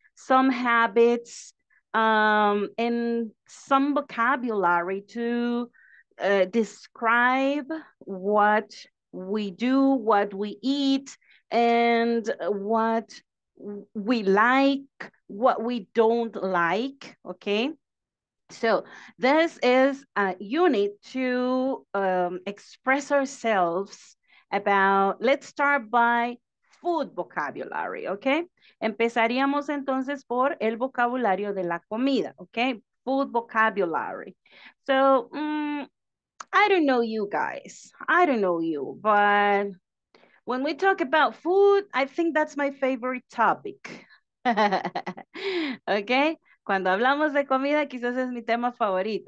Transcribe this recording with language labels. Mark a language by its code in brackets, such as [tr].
[en] Some habits and some vocabulary to describe what we do, what we eat, and what we like, what we don't like, okay? So this is a unit to express ourselves about, let's start by food vocabulary, okay? [es] Empezaríamos entonces por el vocabulario de la comida, okay? [en] Food vocabulary. So I don't know you guys, I don't know you, but when we talk about food, I think that's my favorite topic. Okay? [es] Cuando hablamos de comida, quizás es mi tema favorito.